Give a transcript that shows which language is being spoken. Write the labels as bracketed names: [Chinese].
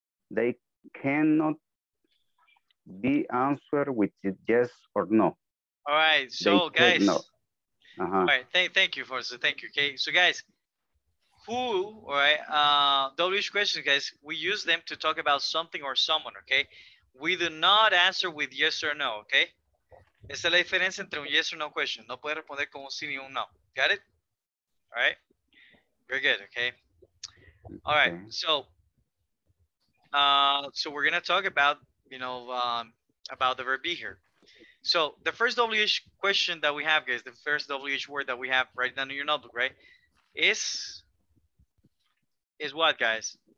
[English] They cannot be answered with yes or no. All right, so they guys. No. Uh-huh. All right, thank you for so thank you. Okay, so guys, who, all right, WH questions, guys, we use them to talk about something or someone, okay? We do not answer with yes or no, okay? [Spanish] Esa es la diferencia entre un [English] yes or no question. [Spanish] No puede responder con un sí ni un no. [English] Got it? All right? Very good, okay? All right, so we're going to talk about, you know, about the verb be here. So the first WH question that we have, guys, the first WH word that we have right down in your notebook, right, is what, guys?